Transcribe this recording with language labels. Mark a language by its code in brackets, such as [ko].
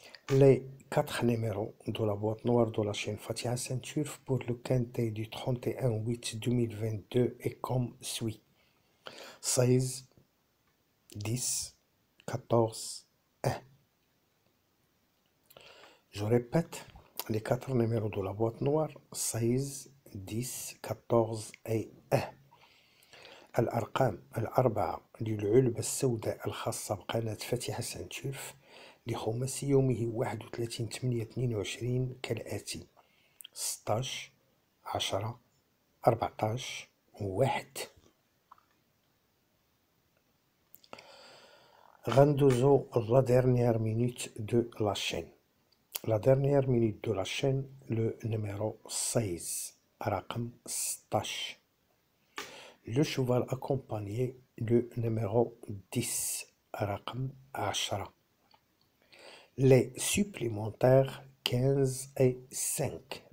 [fr] Les quatre numéros de la boîte noire de la chaîne Fatiha Ceinture pour le quintet du 31-8-2022 est comme suit. 16, 10, 14, 1. Je répète, les quatre numéros de la boîte noire, 16, 10, 14 et 1. [ar] الأرقام الأربعة للعلبة السوداء الخاصة بقناة فاتحة سانتوف لخماس يومه 31/8/22 كالآتي: 16 10 14 1. غندوزو لا ديرنيير مينوت دو لا شين. لا ديرنيير مينوت دو لا شين لو نيميرو 16 رقم 16. [fr] Le cheval accompagné, le numéro 10, [ar] raqm 10. [fr] Les supplémentaires, 15 et 5.